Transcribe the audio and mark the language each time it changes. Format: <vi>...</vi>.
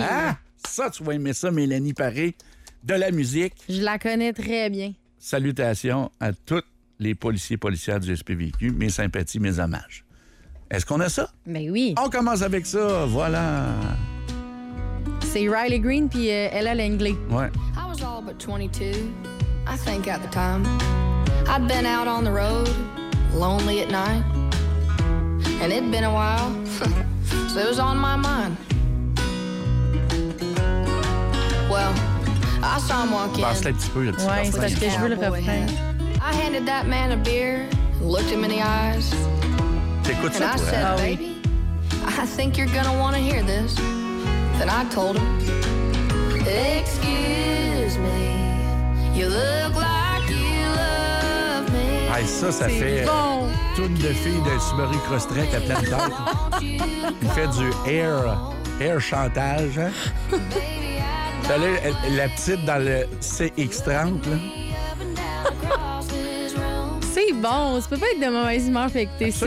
<fr>Ah, ça, tu vas aimer ça, Mélanie Paré, de la musique. Je la connais très bien. Salutations à tous les policiers et policières du SPVQ. Mes sympathies, mes hommages. Est-ce qu'on a ça? Ben oui. On commence avec ça, voilà. C'est Riley Green puis Ella Langley. Ouais.</fr> <en>I was all but 22, I think at the time. I'd been out on the road, lonely at night. And it'd been a while, so it was on my mind. Well, I saw him walk in.</en> <fr>Bah, c'est un petit peu, ouais, parce que je veux le refrain.</fr> <en>I handed that man a beer, looked him in the eyes.</en> <fr>Écoute</fr> <en>and I said, baby, I think you're gonna want to hear this. Then I told him, excuse me, you look like you love me.</en> <fr>Hey, ça c'est fait bon. Toune de fille de Subaru Crosstrek à pleine tête. Il fait du air chantage. Hein? T'as là, la petite dans le CX-30. Là. C'est bon, ça peut pas être de mauvaise humeur affectée, ça.</fr>